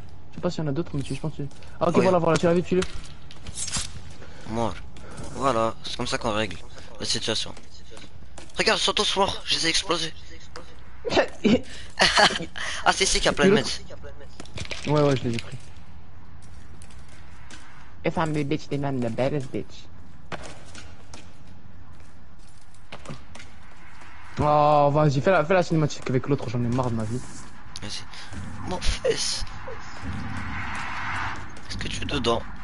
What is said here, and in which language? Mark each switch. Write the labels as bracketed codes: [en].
[fr] Je sais pas s'il y en a d'autres, monsieur, je pense que. Ah, ok, oh, voilà, voilà, tu l'as vu, tue-le. Mort. Voilà, c'est comme ça qu'on règle la situation. Regarde, sont tous morts, je les ai explosés. Ah, c'est ici qu'il y a plein de mecs. Ouais, ouais, je les ai pris. [en] If I'm the bitch, then I'm the baddest bitch. [fr] Oh, vas-y, fais la cinématique avec l'autre, j'en ai marre de ma vie. Vas-y. Mon fils. Est-ce que tu es dedans?